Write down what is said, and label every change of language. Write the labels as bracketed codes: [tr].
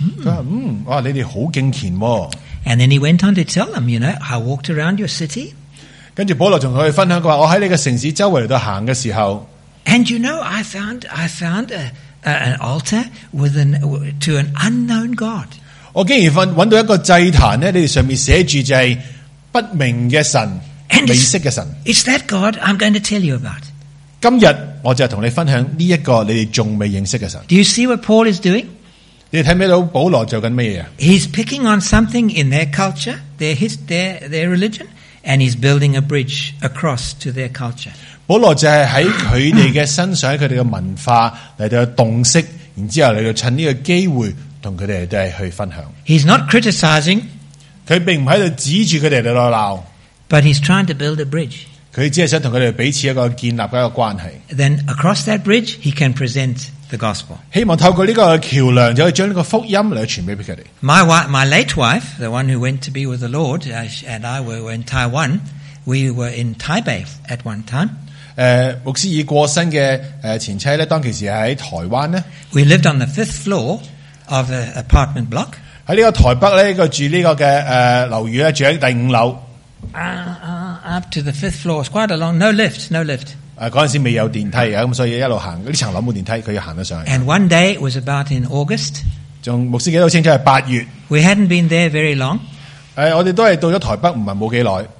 [yue] 佢话：哇，你哋好敬虔。 [en] And then he went on to tell them, you know, I walked around your city. [yue] 跟住保罗同佢分享，佢话：我喺你嘅城市周围嚟到行嘅时候。 [en] And you know, I found an altar to an unknown God. [yue] 我竟然找到一个祭坛呢你上面写住就是不明的神未识的神。 [en] It's that God I'm going to tell you about. [yue] 今日我就同你分享呢一个你哋仲未认识的神。 [en] Do you see what Paul is doing? [yue] 你睇咩到保罗做緊咩呀 [en] ?He's picking on something in their culture, their religion, and he's building a bridge across to their culture. [yue] 保罗就係喺佢哋嘅身上佢哋嘅文化嚟到洞悉然之后嚟到趁呢个机会同佢哋都系去分享。 [en] He's not criticizing， [yue] 佢并唔喺度指住佢哋嚟到闹。 [en] But he's trying to build a bridge。 [yue] 佢只系想同佢哋彼此一个建立一个关系。 [en] Then across that bridge he can present the gospel。 [yue] 希望透过呢个桥梁就可以将呢个福音嚟传俾佢哋。 [en] My late wife, the one who went to be with the Lord, and I were in Taiwan. We were in Taipei at one time。 [yue] 牧师已过身嘅前妻咧，当其时喺台湾咧。 [en] We lived on the fifth floor。 of the apartment block. [yue] 喺呢个台北咧，佢住呢个嘅楼宇咧，住喺第五楼。 [en] Up to the fifth floor, quite a long, no lift. [yue] 嗰阵时未有电梯嘅，咁所以一路行呢层楼冇电梯，佢要行得上去。 [en] And one day it was about in August. [yue] 仲牧师记得好清楚系八月。 [en] We hadn't been there very long. [yue] 我哋都系到咗台北，唔系冇几耐。